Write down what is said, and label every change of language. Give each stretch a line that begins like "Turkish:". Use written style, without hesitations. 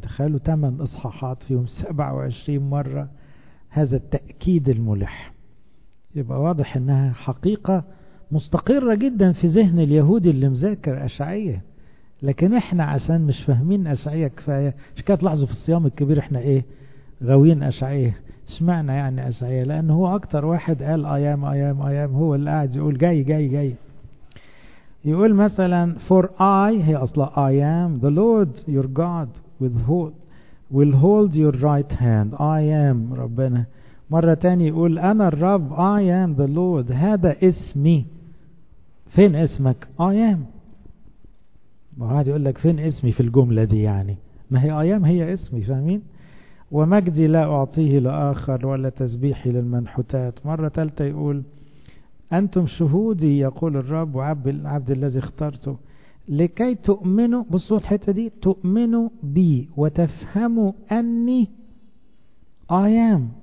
Arabic: تخيلوا 8 إصحاحات فيهم 27 مرة هذا التأكيد الملح، يبقى واضح انها حقيقة مستقرة جدا في ذهن اليهودي اللي مذاكر أشعية. لكن احنا عشان مش فاهمين أشعية كفاية، مش كده تلاحظوا في الصيام الكبير احنا ايه غاويين أشعية، اسمعنا يعني أشعية، لان هو اكتر واحد قال ايام ايام ايام، هو اللي قاعد يقول جاي جاي جاي.
English: يقول مثلا for I
Arabic: هي اصلا
English: I am the Lord your God will hold your right hand. I am
Arabic: ربنا. مرة تاني يقول انا الرب.
English: I am the Lord
Arabic: هذا اسمي. فين اسمك؟
English: I am.
Arabic: وهذا يقول لك فين اسمي في الجملة دي، يعني ما هي أيام هي اسمي، فاهمين؟ ومجدي لا أعطيه لآخر ولا تسبيحي للمنحوتات. مرة ثالثة يقول أنتم شهودي يقول الرب وعبد العبد الذي اخترته لكي تؤمنوا، بصوا الحتة دي، تؤمنوا بي وتفهموا أني أيام.